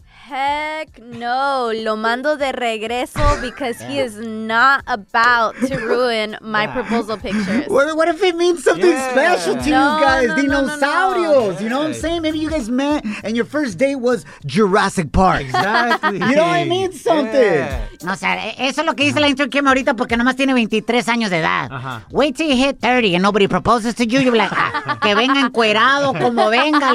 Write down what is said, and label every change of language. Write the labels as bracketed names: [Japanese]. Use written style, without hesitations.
[English] Heck no. [Spanish] Lo mando de regreso [English] because he is not about to ruin my proposal pictures. What if it means something special to you guys? Dinosaurios. You know what I'm saying? Maybe you guys met and your first date was Jurassic Park. Exactly. You know what I mean? Something. Yeah. [Spanish] No, o sea, eso es lo que dice la intro Kim ahorita porque nomás tiene 23 años de edad. Uh-huh. [English] Wait till you hit 30 and nobody proposes to you. You're like, ah, [Spanish] que venga encuerado como venga.